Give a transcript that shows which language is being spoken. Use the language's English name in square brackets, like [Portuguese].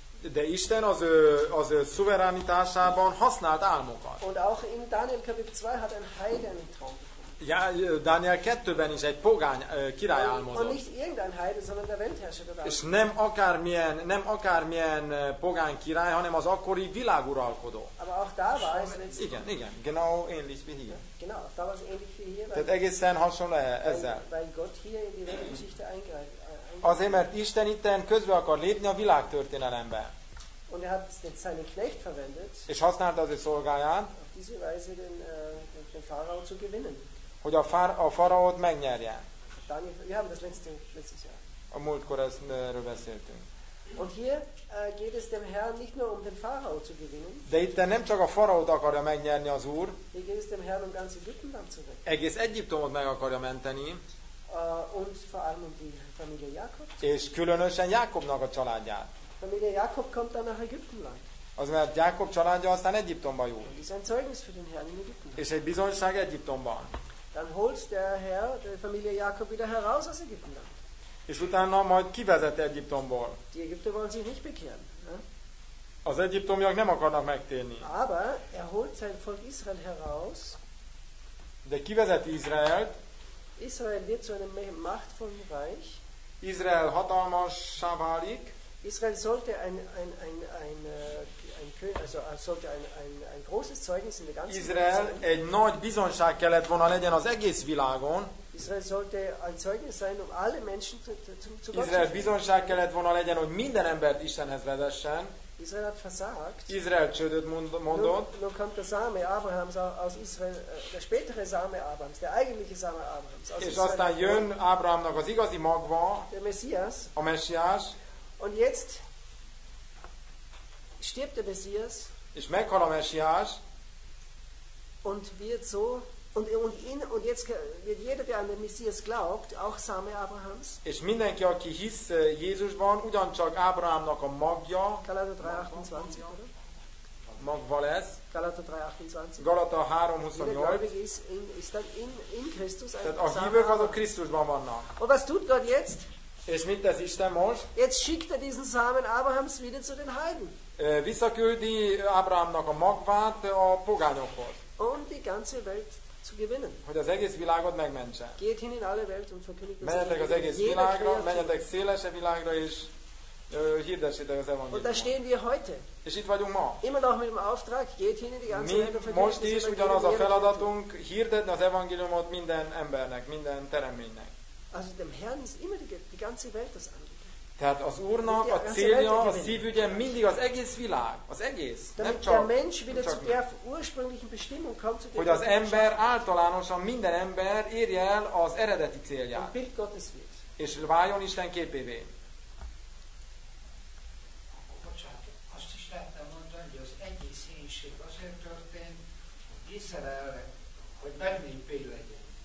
[Hungarian] De Isten az ő szuverenitásában használt álmokat. [German] Und auch in Daniel Kapitel 2 hat ein Heiden Traum bekommen. [Hungarian] Ja, Daniel 2-ben is egy pogány király álmodott. [German] Und nicht irgendein Heide, sondern der Weltherrscher der Welt. [Hungarian] És nem akármilyen pogány király, hanem az akkori világuralkodó. [German] Aber auch da war es nicht. Igen, genau ähnlich wie hier. Genau, da war es ähnlich wie hier. [Hungarian] Tehát egészen hasonló ezzel. [German] Weil Gott hier in die Weltgeschichte eingreift. [Hungarian] Azért, mert Isten itten közbe akar lépni a világtörténelembe. [German] Und er hat den seinen Knecht verwendet. [Hungarian] És használta az ő szolgáját. [German] Auf diese Weise den Pharao zu gewinnen. [Hungarian] Hogy a Pharaót megnyerje. [German] Daniel, wir haben das letztes Jahr. [Hungarian] A múltkor erről beszéltünk. [German] Und hier geht es dem Herrn nicht nur den Pharao zu gewinnen. [Hungarian] De itten nem csak a Pharaót akarja megnyerni az Úr. [German] Hier geht es dem Herrn ganz Ägypten dann zu retten. [Hungarian] Egész Egyiptomot meg akarja menteni. [German] Und vor allem die Familie Jakob. [Hungarian] És különösen Jákobnak a családját. [German] Familie Jakob kommt dann nach Ägypten lang. [Hungarian] Az mert Jákob családja aztán Egyiptomba jó. [German] Und ist ein Zeugnis für den Herrn in Ägypten. [Hungarian] És egy bizonyság Egyiptomban. [German] Dann holt der Herr die Familie Jakob wieder heraus aus Ägypten. [Hungarian] És utána majd kivezet Egyiptomból. [German] Die Ägypter wollen sich nicht bekehren. [Hungarian] Az egyiptomiak nem akarnak megtérni. [German] Aber er holt sein Volk Israel heraus. [Hungarian] De kivezeti Izraelt. [German] Israel wird zu einem machtvollen Reich. [Hungarian] Israel hatalmassá válik. [German] Israel sollte ein großes Zeugnis in der ganzen Israel Welt sein. [Hungarian] Egy nagy bizonyság kellett volna legyen az egész világon. [German] Israel sollte ein Zeugnis sein, um alle Menschen zu Gott zu führen. [Hungarian] Israel bizonyság kellett volna legyen, hogy minden embert Istenhez vezessen. [German] Israel hat versagt. [Hungarian] Israel csődöt mondott. [German] Nun kommt der Same Abrahams aus Israel, der spätere Same Abrahams, der eigentliche Same Abrahams aus [Hungarian] Israel. És aztán jön Abrahamnak az igazi magva, [German] der Messias. [Hungarian] A Messias. [German] Und jetzt stirbt der Messias. [Hungarian] És meghal a Messias. [German] Und wird so und jetzt wird jeder, der an den Messias glaubt, auch Same Abrahams. [Hungarian] És mindenki, aki hisz Jézusban, ugyancsak Ábrahámnak a magja. Galata 3:28, oder? Magva lesz. Galata 3:28. Galata 3:28. [German] Jeder Gläubige ist dann in Christus. [Hungarian] Tehát a hívők azok Krisztusban vannak. [German] Und was tut Gott jetzt? [Hungarian] És mit tesz Isten most? [German] Jetzt schickt diesen Samen Abrahams wieder zu den Heiden. [Hungarian] Visszaküldi Ábrahámnak a magvát a pogányokhoz. [German] Und die ganze Welt zu gewinnen. [Hungarian] Hogy az egész világot megmentse. [German] Geht hin in alle Welt und verkündigt das Evangelium. [Hungarian] Menjetek az egész világra, menjetek szélese világra és hirdessétek az evangéliumot. [German] Und da stehen wir heute. [Hungarian] És itt vagyunk ma. [German] Immer noch mit dem Auftrag, geht hin in die ganze Welt und verkündigt das Evangelium. [Hungarian] Most is ugyanaz a feladatunk, hirdetni az evangéliumot minden embernek, minden teremménynek. [German] Also dem Herrn ist immer die ganze Welt das Anliegen. [Hungarian] Tehát az Úrnak a célja, a szívügye mindig az egész világ, az egész, nem csak. [German] Der Mensch wieder zu der ursprünglichen Bestimmung kommt, zu der. [Hungarian] Hogy az ember általánosan minden ember érje el az eredeti célját. [German] Und Bild Gottes wird. [Hungarian] És váljon Isten képévé. Azt is lehetne mondani, hogy az egész hénység azért történt, Izraelre, hogy megnépé legyen.